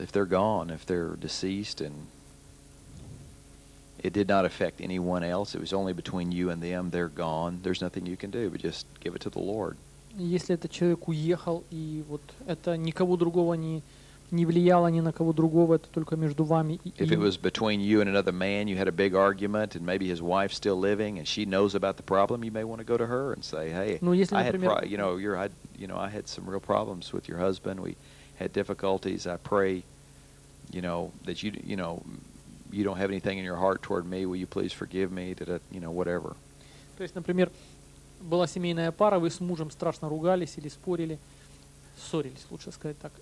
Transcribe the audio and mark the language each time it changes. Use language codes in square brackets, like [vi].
[en] If they're gone, if they're deceased, and it did not affect anyone else, it was only between you and them. They're gone. There's nothing you can do but just give it to the Lord. [ru] Если этот человек уехал, и вот это никого другого не влияло ни на кого другого, это только между вами и... [en] If it was between you and another man, you had a big argument, and maybe his wife's still living, and she knows about the problem, you may want to go to her and say, hey, I had some real problems with your husband, we had difficulties, I pray, you know, that you don't have anything in your heart toward me, will you please forgive me, whatever. [ru] То есть, например, была семейная пара, вы с мужем страшно ругались или спорили, ссорились, лучше сказать так.